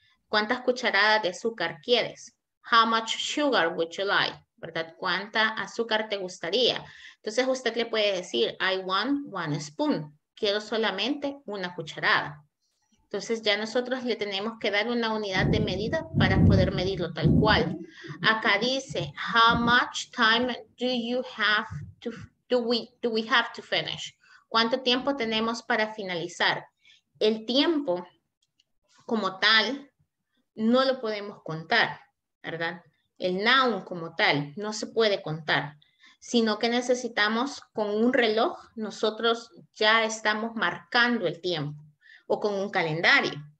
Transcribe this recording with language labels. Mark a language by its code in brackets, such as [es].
[es] ¿Cuántas cucharadas de azúcar quieres? [en] How much sugar would you like? [es] ¿Verdad? ¿Cuánta azúcar te gustaría? Entonces usted le puede decir, [en] I want one spoon. [es] Quiero solamente una cucharada. Entonces ya nosotros le tenemos que dar una unidad de medida para poder medirlo tal cual. Acá dice, [en] how much time do we have to finish? [es] ¿Cuánto tiempo tenemos para finalizar? El tiempo como tal no lo podemos contar, ¿verdad? El noun como tal no se puede contar, sino que necesitamos con un reloj, nosotros ya estamos marcando el tiempo, o con un calendario.